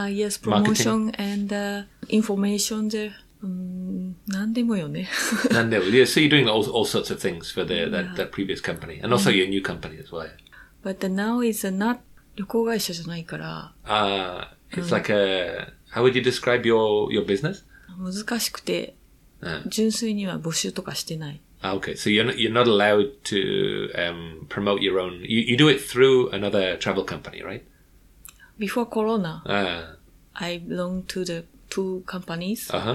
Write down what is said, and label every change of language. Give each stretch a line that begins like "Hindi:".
English: Yes, promotion marketing. And information. Yeah, so you're doing all sorts of things for that previous company. And also your new company as well. But now it's not
Japanese: 旅行会社じゃないから.
English: It's like how would you describe your business?
Japanese: 難しくて, 純粋には募集とかしてない.
English: Okay, so you're not allowed to promote your own. You do it through another travel company, right? Before Corona, I belong to the two companies, uh-huh.